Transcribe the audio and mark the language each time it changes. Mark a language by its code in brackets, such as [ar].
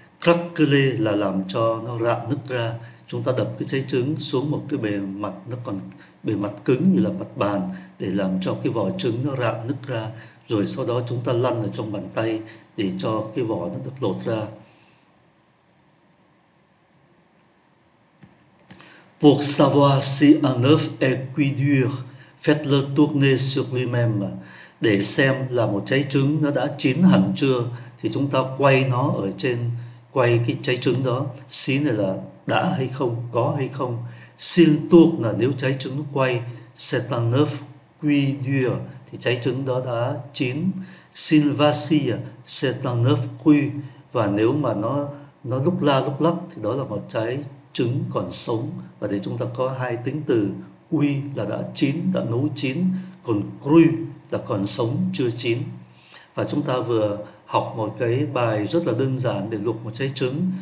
[vi] Craqueler là làm cho nó rạn nứt ra. Chúng ta đập cái trái trứng xuống một cái bề mặt nó còn bề mặt cứng như là mặt bàn để làm cho cái vỏ trứng nó rạn nứt ra. Rồi sau đó chúng ta lăn ở trong bàn tay để cho cái vỏ nó được lột ra. [fr] Pour savoir si un œuf est cuit dur, faites-le tourner sur lui-même. [vi] Để xem là một trái trứng nó đã chín hẳn chưa thì chúng ta quay nó ở trên, quay cái trái trứng đó. Xí này là đã hay không, có hay không. [fr] S'il tourne [vi] là nếu trái trứng nó quay. [fr] C'est un œuf cuit dur [vi] thì trái trứng đó đã chín. [fr] S'il vacille, c'est un œuf cuit. [vi] Và nếu mà nó lúc la lúc lắc thì đó là một trái trứng còn sống. Và để chúng ta có hai tính từ, cuit là đã chín, đã nấu chín, còn cru là còn sống, chưa chín. Và chúng ta vừa học một cái bài rất là đơn giản để luộc một trái trứng.